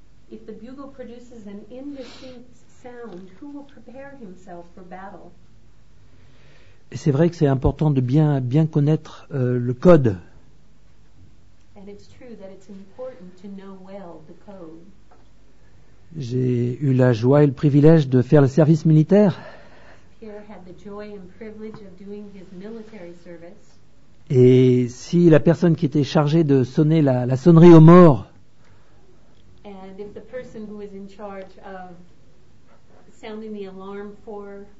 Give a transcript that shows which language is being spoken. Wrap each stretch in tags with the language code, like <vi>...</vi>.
<en>If the bugle produces an indistinct sound, who will prepare himself for battle?</en> <fr>Et c'est vrai que c'est important de bien connaître le code.</fr> <en>And it's true that it's important to know well the code.</en> <fr>J'ai eu la joie et le privilège de faire le service militaire.</fr> <en>Pierre had the joy and privilege of doing his military service.</en> <fr>Et si la personne qui était chargée de sonner la sonnerie aux morts</fr> <en>and if the person who was in charge of sounding the alarm for</en>